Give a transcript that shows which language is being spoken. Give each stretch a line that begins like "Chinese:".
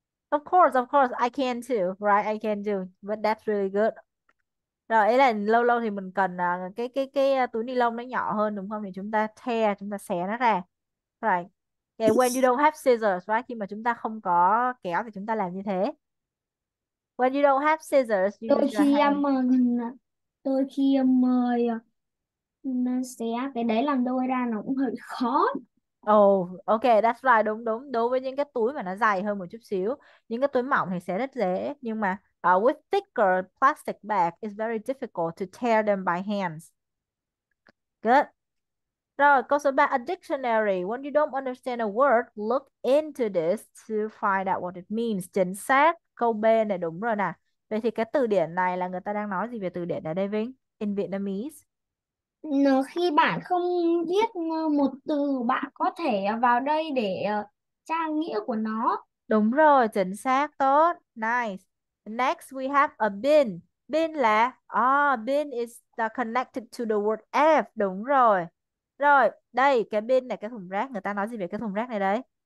English: of course, I can too, right? I can do, but that's really good.
Vietnamese: Rồi, ý là lâu lâu thì mình cần cái túi ni lông nó nhỏ hơn, đúng không? Thì chúng ta tear, chúng ta xé nó ra. Right. Okay,
English: when you don't have scissors, right?
Vietnamese: Khi mà chúng ta không có kéo thì chúng ta làm như thế.
English: When you don't have scissors, you use your hand.
Vietnamese: Đôi khi em mời nên sẽ cái đấy làm đôi ra nó cũng hơi khó.
English: Ok, that's right,
Vietnamese: đúng đúng. Đối với những cái túi mà nó dài hơn một chút xíu, những cái túi mỏng thì sẽ rất dễ. Nhưng mà
English: with thicker plastic bag, it's very difficult to tear them by hands. Good.
Vietnamese: Rồi, câu số 3,
English: a dictionary. When you don't understand a word, look into this to find out what it means.
Vietnamese: Chính xác, câu B này đúng rồi nè. Vậy thì cái từ điển này là người ta đang nói gì về từ điển ở đây Vinh?
English: In Vietnamese.
Vietnamese: Khi bạn không biết một từ, bạn có thể vào đây để tra nghĩa của nó. Đúng rồi, chính xác, tốt.
English: Nice. Next, we have a bin. Bin là, bin is connected to the word F.
Vietnamese: Đúng rồi. Rồi, đây, cái bin này, cái thùng rác. Người ta nói gì về cái thùng rác này đấy?